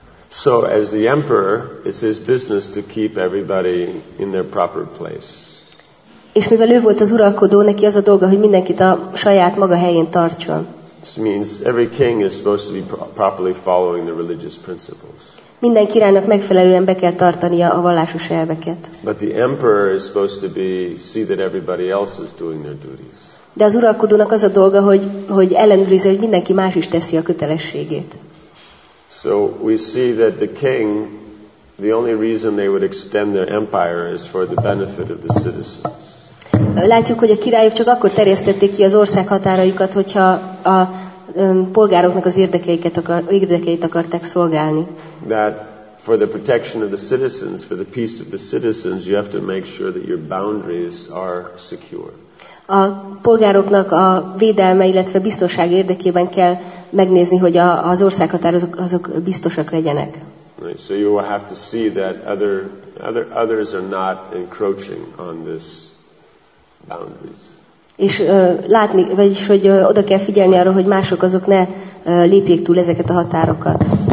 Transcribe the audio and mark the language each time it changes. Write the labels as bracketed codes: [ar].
[en] So as the emperor, it's his business to keep everybody in their proper place. [hu] És mivel ő volt az uralkodó, neki az a dolga, hogy mindenkit a saját maga helyén tartson. [en] This means every king is supposed to be properly following the religious principles. [hu] Minden királynak megfelelően be kell tartania a vallásos elveket. [en] But the emperor is supposed to be see that everybody else is doing their duties. [hu] De az uralkodónak az a dolga, hogy ellenőrizze, hogy mindenki más is teszi a kötelességét. [en] So we see that the king, the only reason they would extend their empire is for the benefit of the citizens. [hu] Látjuk, hogy a királyok csak akkor terjesztették ki az ország határaikat, hogyha a polgároknak az érdekeit akarták szolgálni. [en] That for the protection of the citizens, for the peace of the citizens, you have to make sure that your boundaries are secure. [hu] A polgároknak a védelme, illetve biztonság érdekében kell megnézni, hogy az országhatárok azok biztosak legyenek. [en] Right, so you will have to see that others are not encroaching on this boundaries. [hu] És látni, vagyis hogy oda kell figyelni arra, hogy mások azok ne lépjék túl ezeket a határokat.